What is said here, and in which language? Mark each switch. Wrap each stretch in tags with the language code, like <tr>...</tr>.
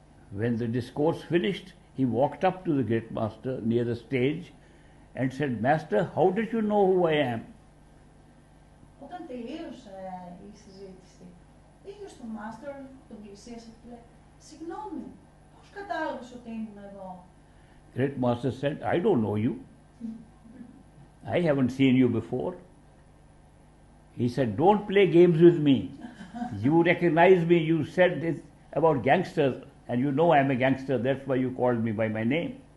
<en>When the discourse finished, he walked up to the great master near the stage and said, Master, how did you know who I am?</en> <el>Όταν τελείωσε η συζήτηση, είχε στο μάστερ τον πλησίασε και λέει, συγγνώμη, πώς κατάλαβες ότι ήμουν εδώ?</el> <en>Great master said, I don't know you. I haven't seen you before. He said, don't play games with me. You recognize me, you said this about gangsters, and you know I'm a gangster, that's why you called me by my name.</en>